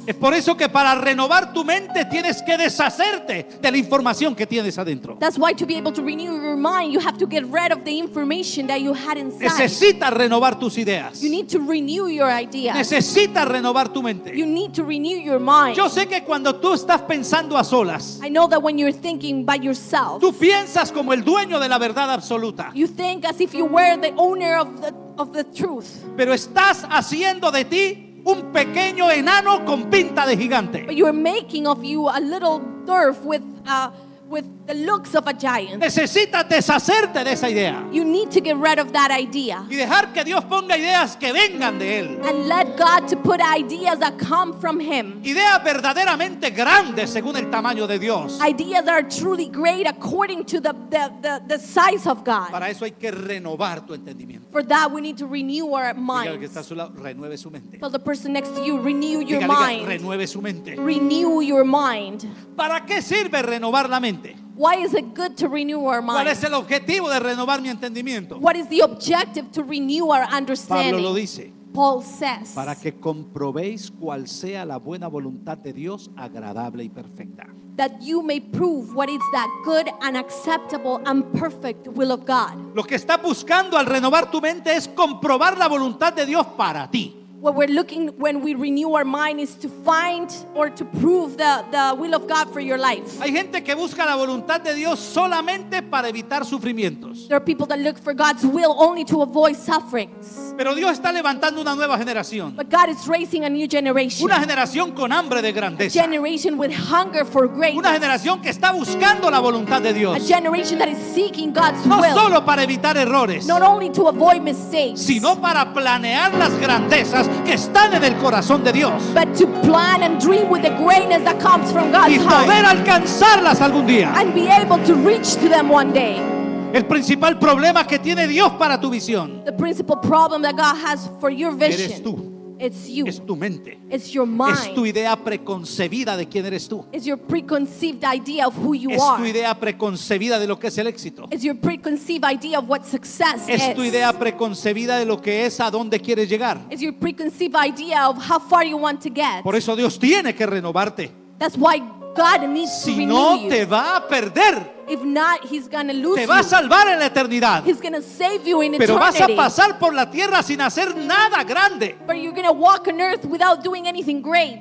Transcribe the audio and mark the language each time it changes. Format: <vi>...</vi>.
<es>Es por eso que para renovar tu mente tienes que deshacerte de la información que tienes adentro.</es> <en>That's why to be able to renew your mind, you have to get rid of the information that you had inside.</en> <es>Necesitas renovar tus ideas.</es> <en>You need to renew your ideas.</en> <es>Necesitas renovar tu mente.</es> <en>You need to renew your mind.</en> <es>Yo sé que cuando tú estás pensando a solas,</es> <en>I know that when you're thinking by yourself,</en> <es>tú piensas como el dueño de la verdad absoluta.</es> <en>You think as if you were the owner of the truth.</en> <es>Pero estás haciendo de ti un pequeño enano con pinta de gigante.</es> <en>But you are making of you a little dwarf with the looks of a giant.</en> <es>Necesitas deshacerte de esa idea.</es> <en>You need to get rid of that idea.</en> <es>Y dejar que Dios ponga ideas que vengan de él.</es> <en>And let God to put ideas that come from him.</en> <es>Ideas verdaderamente grandes según el tamaño de Dios.</es> <en>Ideas that are truly great according to the size of God.</en> <es>Para eso hay que renovar tu entendimiento.</es> <en>For that we need to renew our minds.</en> <es>Diga que está a su lado, renueve su mente.</es> <en>Tell the person next to you, renew your mind.</en> <es>Diga, renueve su mente.</es> <en>Renew your mind.</en> <es>¿Para qué sirve renovar la mente?</es> <en>Why is it good to renew our mind?</en> <es>¿Cuál es el objetivo de renovar mi entendimiento?</es> <en>What is the objective to renew our understanding?</en> <es>Pablo lo dice.</es> <en>Paul says.</en> <es>Para que comprobéis cuál sea la buena voluntad de Dios, agradable y perfecta.</es> <en>That you may prove what is that good and acceptable and perfect will of God.</en> <es>Lo que está buscando al renovar tu mente es comprobar la voluntad de Dios para ti.</es> <en>what we're looking when we renew our mind is to find or to prove the will of God for your life.</en> <es>Hay gente que busca la voluntad de Dios solamente para evitar sufrimientos.</es> <en>There are people that look for God's will only to avoid sufferings.</en> <es>Pero Dios está levantando una nueva generación.</es> <en>But God is raising a new generation.</en> <es>Una generación con hambre de grandeza.</es> <en>A generation with hunger for greatness.</en> <es>Una generación que está buscando la voluntad de Dios.</es> <en>A generation that is seeking God's will.</en> <es>No solo para evitar errores.</es> <en>Not only to avoid mistakes.</en> <es>Sino para planear las grandezas que están en el corazón de Dios.</es> <en>But to plan and dream with the greatness that comes from God's heart.</en> <es>Y poder alcanzarlas algún día.</es> <en>And be able to reach to them one day.</en> <es>El principal problema que tiene Dios para tu visión.</es> <en>The principal problem that God has for your vision.</en> <es>Eres tú.</es> <en>It's you.</en> <es>Es tu mente.</es> <en>It's your mind.</en> <es>Es tu idea preconcebida de quién eres tú.</es> <en>It's your preconceived idea of who you</en> <es>es</es> <en>are.</en> <es>Es tu idea preconcebida de lo que es el éxito.</es> <en>It's your preconceived idea of what success</en> <es>es</es> <en>is.</en> <es>Es tu idea preconcebida de lo que es a dónde quieres llegar.</es> <en>It's your preconceived idea of how far you want to get.</en> <es>Por eso Dios tiene que renovarte.</es> <en>That's why God needs</en> <es>si</es> <en>to renew</en> <es>no</es> <en>you.</en> <es>Si no te va a perder.</es> <en>If not, he's gonna lose</en> <es>te va a salvar en la eternidad.</es> <en>He's gonna save you in</en> <es>pero</es> <en>eternity.</en> <es>Vas a pasar por la tierra sin hacer nada grande.</es> <en>But you're gonna walk on earth without doing anything great.</en>